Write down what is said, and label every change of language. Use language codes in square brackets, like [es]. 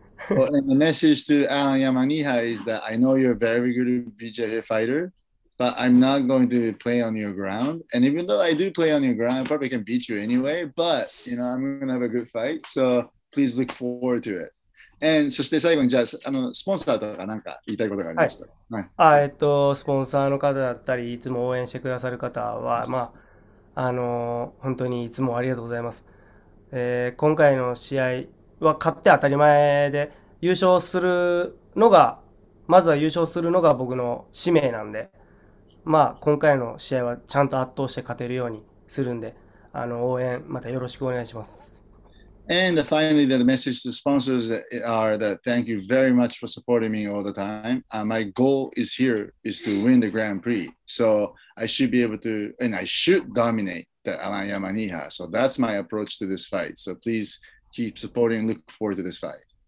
[en] Well, and the message to Alan Yamaniha is that I know you're a very good BJJ fighter, but I'm not going to play on your ground. And even though I do play on your ground, I probably can beat you anyway, but you know, I'm gonna have a good fight. So please look forward to it. [ja] And そして最後にじゃあ、スポンサーとか何か言いたいことがありました。スポンサーの方だったり、いつも応援してくださる方は、まあ、本当にいつもありがとうございます。今回の試合は勝って当たり前で、まずは優勝するのが僕の使命なんで、まあ、今回の試合はちゃんと圧倒して勝てるようにするんで、応援、またよろしくお願いします。 [en] And finally, the message to sponsors are that thank you very much for supporting me all the time. My goal is here is to win the Grand Prix. So I should be able to, and I should dominate the Alan Yamaniha. So that's my approach to this fight. So please keep supporting. Look forward to this fight.